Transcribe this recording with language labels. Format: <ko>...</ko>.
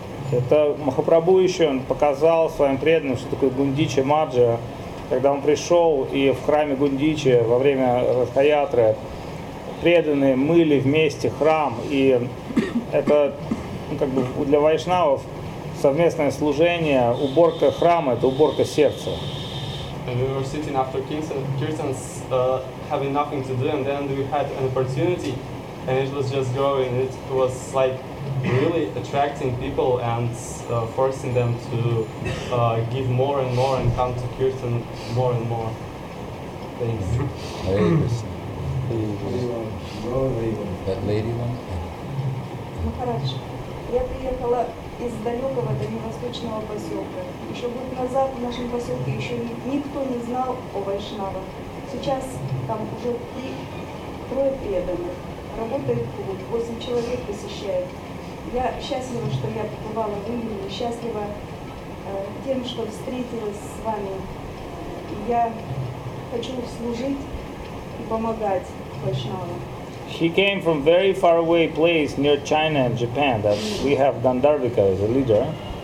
<ru>Это Махапрабху еще он показал своим преданным, что такое Гундича Марджа. Когда он пришел и в храме Гундичи во время Ратхаятры преданные мыли вместе храм, и это, ну, как бы для вайшнавов совместное служение, уборка храма — это уборка сердца.</ru> <en>And we were sitting after kirtans, having nothing to do, and then we had an opportunity, and it was just growing. It was like really attracting people and forcing them to give more and more and come to kirtan more and more. Thanks. Hare Krishna. That lady one.</en> <ru>Maharaj, я приехала из далекого дальневосточного поселка. Еще год назад в нашем поселке еще никто не знал о вайшнавах. Сейчас там уже трое преданных. Работает клуб, 8 человек посещает. Я счастлива, что я побывала в Индии, счастлива тем, что встретилась с вами. Я хочу служить и помогать вайшнавам.</ru> <en>She came from very far away place near China and Japan, that we have Gandharvika as a leader.</en>